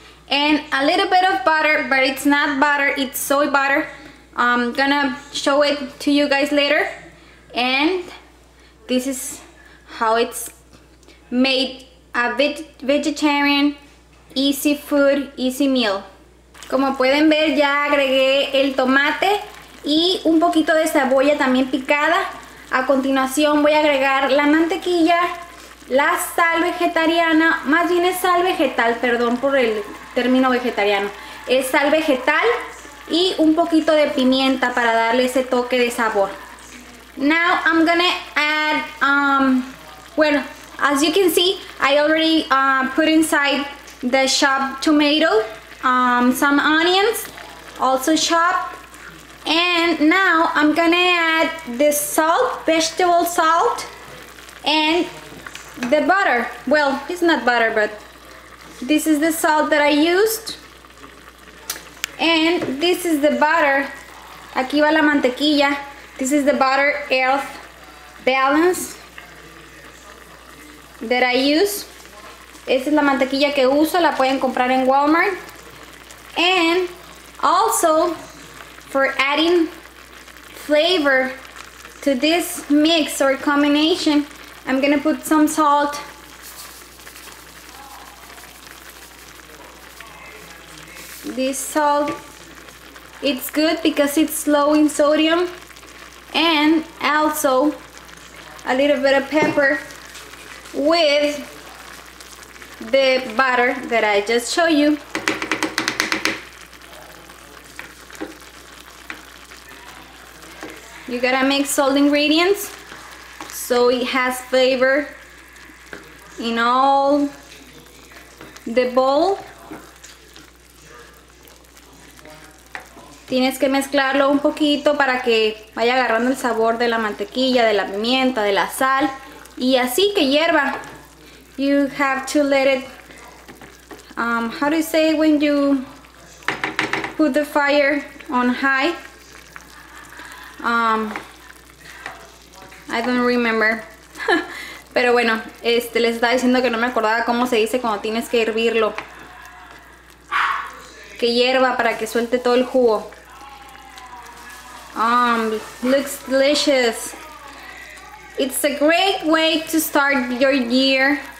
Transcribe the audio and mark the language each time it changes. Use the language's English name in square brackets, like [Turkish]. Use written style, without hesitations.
[English] And a little bit of butter, but it's not butter, it's soy butter. I'm gonna show it to you guys later. And this is how it's made, a vegetarian, easy food, easy meal. [Spanish] Como pueden ver, ya agregué el tomate y un poquito de cebolla también picada. A continuación voy a agregar la mantequilla, la sal vegetariana, más bien es sal vegetal, perdón por el término vegetariano. Es sal vegetal y un poquito de pimienta para darle ese toque de sabor. [English] Now I'm gonna add, well, as you can see, I already put inside the chopped tomato, some onions, also chopped, and now I'm gonna add the salt, vegetable salt, and the butter. Well, it's not butter, but this is the salt that I used, and this is the butter. [Spanish] Aquí va la mantequilla. [English] This is the butter elf balance that I use. [Spanish] Esta es la mantequilla que uso, la pueden comprar en Walmart. [English] And also, for adding flavor to this mix or combination, I'm gonna put some salt. This salt, it's good because it's low in sodium. And also a little bit of pepper with the butter that I just showed you. You gotta mix all the ingredients so it has flavor in all the bowl. [Spanish] Tienes que mezclarlo un poquito para que vaya agarrando el sabor de la mantequilla, de la pimienta, de la sal. Y así que hierva. [English] You have to let it, how do you say when you put the fire on high? I don't remember. [Spanish] Pero bueno, les estaba diciendo que no me acordaba cómo se dice cuando tienes que hervirlo. Que hierva para que suelte todo el jugo. [English] Looks delicious. It's a great way to start your year